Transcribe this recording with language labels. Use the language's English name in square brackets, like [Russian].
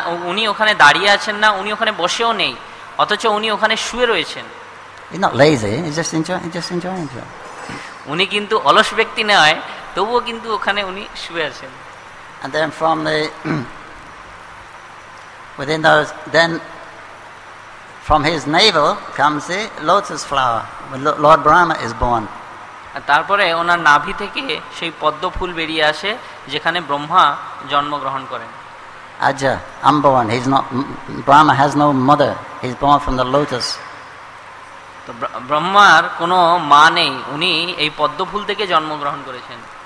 [Bangla] উনি ওখানে দাঁড়িয়ে আছেন না, উনি ওখানে বসেও নেই, অথচ উনি ওখানে শুয়ে রয়েছেন। [English] He's not lazy, he's just enjoying it. [Bangla] উনি কিন্তু অলস ব্যক্তি নয়, তবুও কিন্তু ওখানে উনি শুয়ে আছেন। [English] And then from the within those, then from his navel comes the lotus flower when Lord Brahma is born. [Bangla] তারপরে ওনার নাভি থেকে সেই পদ্ম ফুল বেরিয়ে আসে যেখানে ব্রহ্মা জন্মগ্রহণ করেন। [English] আচ্ছা আম্বন, his not Brahma has no mother, his born from the lotus. [Bangla] তো ব্রহ্মার কোনো মা নেই, উনি এই পদ্ম ফুল থেকে জন্মগ্রহণ করেছেন।